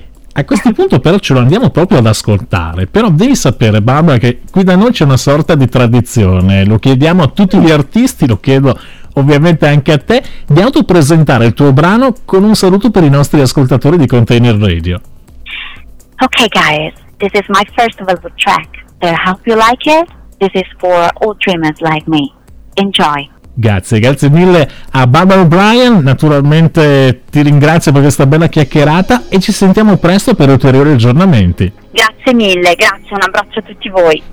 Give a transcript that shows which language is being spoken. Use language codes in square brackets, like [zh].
[it] A questo punto però ce lo andiamo proprio ad ascoltare, però devi sapere, Barbara, che qui da noi c'è una sorta di tradizione, lo chiediamo a tutti gli artisti, lo chiedo ovviamente anche a te, di autopresentare il tuo brano con un saluto per i nostri ascoltatori di Container Radio. [en] Ok guys, this is my first velvet track, I hope you like it, this is for all dreamers like me, enjoy. [it] Grazie, grazie mille a Barbara O'Brien, naturalmente ti ringrazio per questa bella chiacchierata e ci sentiamo presto per ulteriori aggiornamenti. Grazie mille, grazie, un abbraccio a tutti voi.